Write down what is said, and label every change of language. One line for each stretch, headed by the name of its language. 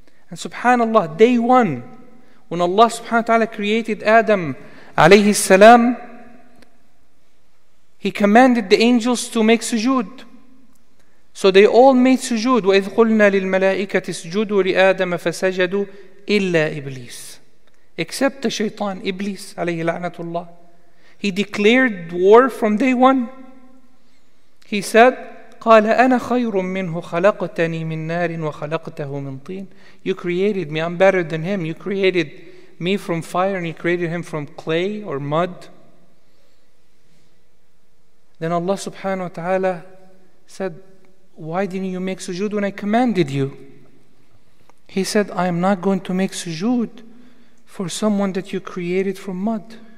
English: And subhanallah, day one, when Allah subhanahu wa ta'ala created Adam alayhi salam, He commanded the angels to make sujood. So they all made sujood.
Arabic: وَإِذْ قُلْنَا لِلْمَلَائِكَةِ اسْجُدُوا لِآدَمَ فَسَجَدُوا إِلَّا إِبْلِيسَ.
English: Except the shaytan, Iblis alayhi la'natullah. He declared war from day one. He said,
Arabic: قال أنا خير منه خلقتني من نار وخلقته من طين.
English: You created me, I'm better than him. You created me from fire and you created him from clay or mud. Then Allah subhanahu wa ta'ala said, why didn't you make sujood when I commanded you? He said, I am not going to make sujood for someone that you created from mud.